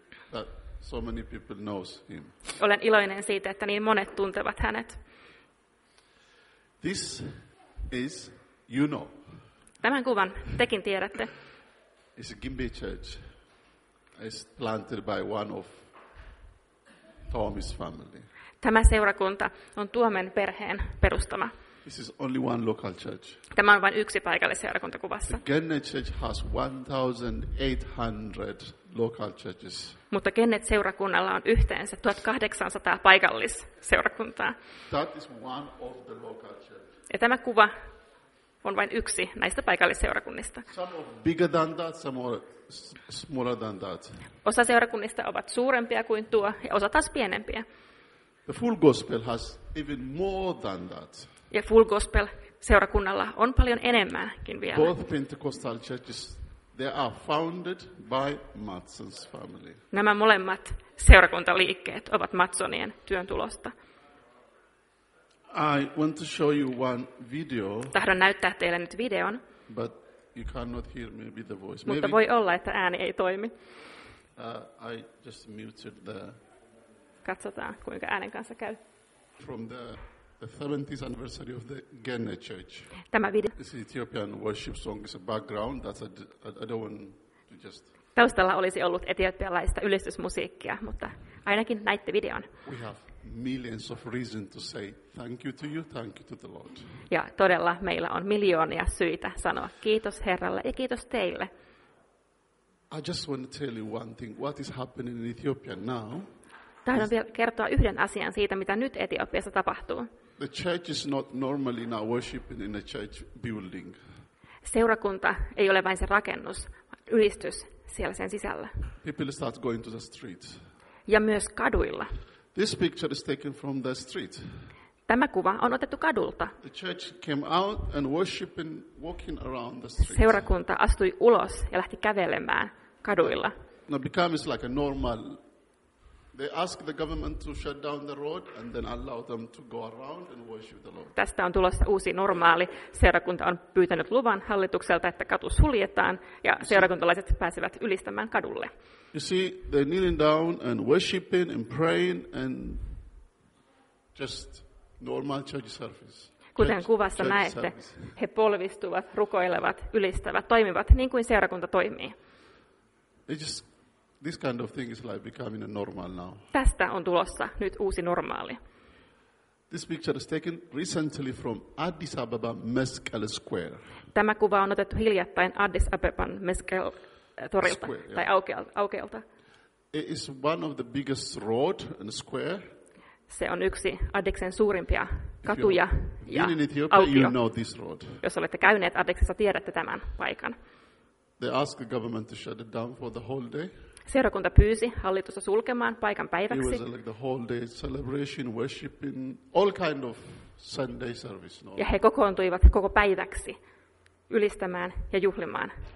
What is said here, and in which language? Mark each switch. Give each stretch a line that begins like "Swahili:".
English: That so many people knows him.
Finnish: Olen iloinen siitä, että niin monet tuntevat hänet.
English: This is, you know.
Finnish: Tämän kuvan tekin tiedätte.
English: It's a Gimbe church. It's planted by one of Tommy's family.
Finnish: Tämä seurakunta on Tuomen perheen perustama.
English: This is only one local church.
Finnish: Tämä on vain yksi paikallisseurakunta kuvassa.
English: The Genne church has 1,800 local churches.
Finnish: Mutta Genet seurakunnalla on yhteensä 1,800 paikallisseurakuntaa.
English: That is one of the local churches.
Finnish: Ja tämä kuva on vain yksi näistä paikallisseurakunnista.
English: Some are bigger than that, some are smaller than that.
Finnish: Osa seurakunnista ovat suurempia kuin tuo ja osa taas pienempiä.
English: The full gospel has even more than that.
Finnish: Ja full gospel seurakunnalla on paljon enemmänkin vielä.
English: Both Pentecostal churches, they are founded by Matson's family.
Finnish: Nämä molemmat seurakuntaliikkeet ovat Matsonien työn tulosta.
English: I want to show you one video.
Finnish: Tahdon näyttää teille nyt videon.
English: But you cannot hear maybe the voice. maybe
Finnish: voi olla, että ääni ei toimi.
English: I just muted the.
Finnish: Katsotaan, kuinka äänen kanssa käy.
English: From the 70th anniversary of the Genne Church.
Finnish: Tämä video.
English: This Ethiopian worship song is a background. That's I don't want to just.
Finnish: Taustalla olisi ollut etiopialaista ylistysmusiikkia, mutta ainakin näitte videon.
English: We have millions of reasons to say thank you to you, thank you to the Lord.
Finnish: Ja todella meillä on miljoonia syitä sanoa kiitos Herralle ja kiitos teille.
English: I just want to tell you one thing. What is happening in Ethiopia now?
Finnish: Tahdon vielä kertoa yhden asian siitä, mitä nyt Etiopiassa tapahtuu.
English: The church is not normally now worshiping in a church building.
Finnish: Seurakunta ei ole vain se rakennus, vaan ylistys siellä sen sisällä.
English: People start going to the streets.
Finnish: Ja myös kaduilla.
English: This picture is taken from the street.
Finnish: Tämä kuva on otettu kadulta.
English: The church came out and worshiping, walking around the street.
Finnish: Seurakunta astui ulos ja lähti kävelemään kaduilla.
English: Now becomes like a normal. They ask the government to shut down the road and then allow them to go around and worship the Lord.
Finnish: Tästä on tulossa uusi normaali. Seurakunta on pyytänyt luvan hallitukselta, että katu suljetaan ja seurakuntalaiset pääsevät ylistämään kadulle.
English: You see, they're kneeling down and worshiping and praying and just normal church service.
Finnish: Kuten kuvassa näette, he polvistuvat, rukoilevat, ylistävät, toimivat niin kuin seurakunta toimii.
English: This kind of thing is like becoming a normal now.
Finnish: Tästä on tulossa nyt uusi normaali.
English: This picture is taken recently from Addis Ababa Meskel Square.
Finnish: Tämä kuva on otettu hiljattain Addis Abeban Meskel torilta tai aukealta.
English: It is one of the biggest road and square.
Finnish: Se on yksi Addiksen suurimpia katuja ja aukio.
English: You know this road.
Finnish: Jos olette käyneet Addiksessa, tiedätte tämän paikan.
English: They ask the government to shut it down for the whole day.
Finnish: Seurakunta pyysi hallitusta sulkemaan paikan päiväksi.
English: It was like the whole day celebration, worshiping, all kind of Sunday service. No?
Finnish: Ja he kokoontuivat koko päiväksi ylistämään ja juhlimaan.